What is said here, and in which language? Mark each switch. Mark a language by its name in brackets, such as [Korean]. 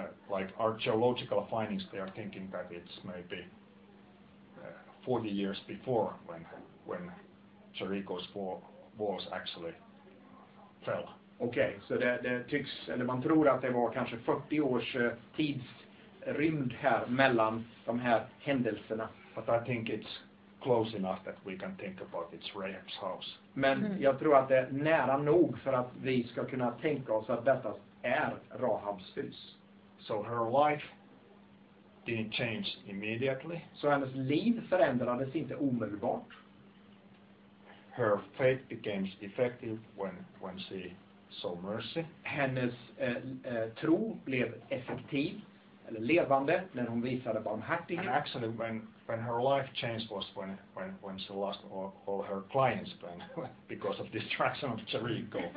[English] Like archaeological findings, they are thinking that it's maybe 40 years before when Jericho's walls actually fell. [Swedish] Okay, so det tycks, eller man tror att det var kanske 40 års tidsrymd här mellan de här händelserna. [English] But I think it's close enough that we can think about it's Rahab's house. [Swedish] Men jag tror att det är nära nog för att vi ska kunna tänka oss att detta är Rahabs hus. [English] So her life didn't change immediately. [Swedish] Så hennes liv förändrades inte omedelbart. [English] Her faith became effective when she saw mercy. [Swedish] Hennes tro blev effektiv eller levande när hon visade barmhärtighet. [English] Actually when her life changed was when she lost all her clients then because of distraction of Jericho.